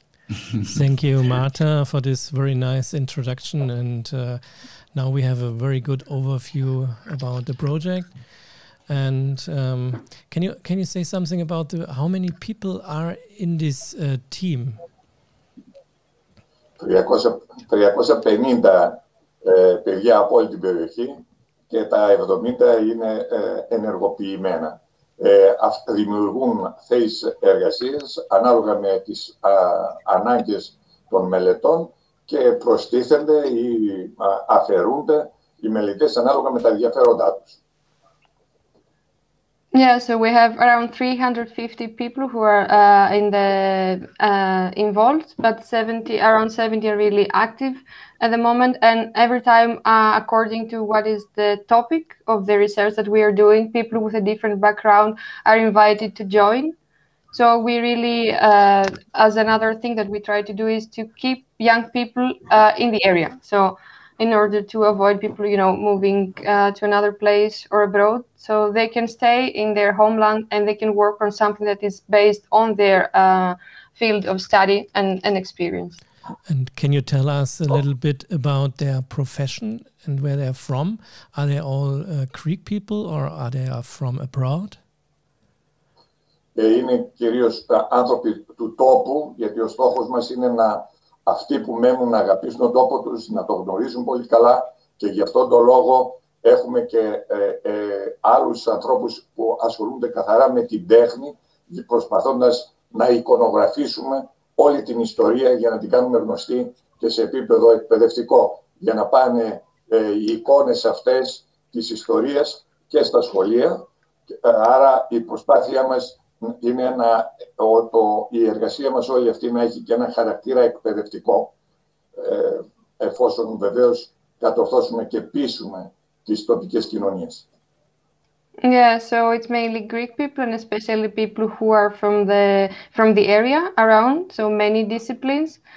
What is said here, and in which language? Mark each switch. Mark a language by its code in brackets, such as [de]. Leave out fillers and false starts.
[en] Thank you, Marta, for this very nice introduction. And now we have a very good overview about the project. And can you say something about how many people are in this team? [el] 350 παιδιά από όλη την περιοχή, και τα 70 είναι ενεργοποιημένα. δημιουργούν θέσεις εργασίας ανάλογα με τις ανάγκες των μελετών και προστίθενται ή αφαιρούνται οι μελετές ανάλογα με τα ενδιαφέροντά τους. [en] Yeah, so we have around 350 people who are in the involved, but 70, around 70 are really active at the moment. And every time, according to what is the topic of the research that we are doing, people with a different background are invited to join. So we really, as another thing that we try to do is to keep young people in the area. So in order to avoid people, you know, moving to another place or abroad, so they can stay in their homeland and they can work on something that is based on their field of study and experience. And can you tell us a little bit about their profession and where they're from? Are they all Greek people or are they from abroad? [el] Είναι κυρίως άνθρωποι του τόπου, γιατί ο στόχος μας είναι να αυτοί που μένουν να αγαπήσουν τον τόπο τους, να τον γνωρίζουν πολύ καλά και γι' αυτόν τον λόγο έχουμε και άλλους ανθρώπους που ασχολούνται καθαρά με την τέχνη, προσπαθώντας να εικονογραφήσουμε όλη την ιστορία για να την κάνουμε γνωστή και σε επίπεδο εκπαιδευτικό, για να πάνε οι εικόνες αυτές της ιστορίας και στα σχολεία. Άρα η προσπάθειά μας είναι η εργασία μας όλη αυτή να έχει και ένα χαρακτήρα εκπαιδευτικό, εφόσον βεβαίως κατορθώσουμε και πείσουμε τις τοπικές κοινωνίες. [en] Yeah, so it's mainly Greek people and especially people who are from the area around, so many disciplines.